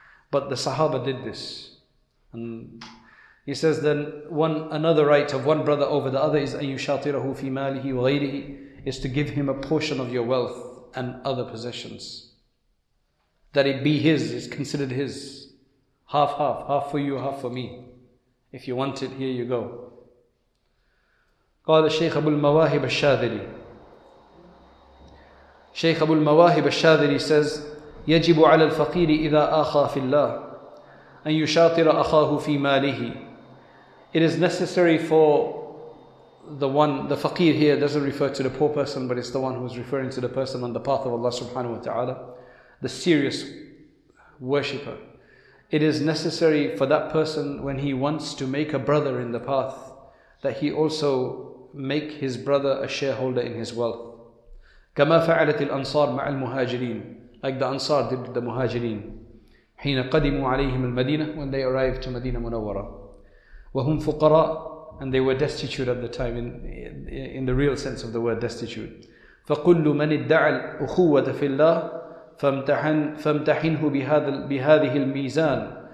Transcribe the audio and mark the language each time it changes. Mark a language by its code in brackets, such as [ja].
[en] But the Sahaba did this. And he says, then another right of one brother over the other is [ar] أَن يُشَاطِرَهُ فِي مَالِهِ وَغَيْرِهِ, [en] is to give him a portion of your wealth and other possessions. That it be his, is considered his. Half for you, half for me. If you want it, here you go. [ar] قال الشيخ أبو المواهب الشاذلي. شيخ أبو المواهب الشاذلي [en] says, [ar] يجب على الفقير إذا آخى في الله أن يشاطر أخاه في ماله. [en] It is necessary for the one, the faqir here doesn't refer to the poor person, but it's the one who is referring to the person on the path of Allah subhanahu wa ta'ala, the serious worshipper. It is necessary for that person, when he wants to make a brother in the path, that he also make his brother a shareholder in his wealth. [ar] كما فعلت الأنصار مع المهاجرين. [en] Like the Ansar did with the Muhajireen. [ar] حين قدموا عليهم المدينة, [en] when they arrived to Medina Munawwara. [ar] وهم فقراء, [en] and they were destitute at the time, in the real sense of the word destitute. [ar] فقل من ادعى الأخوة في الله فامتحنه بهذه الميزان.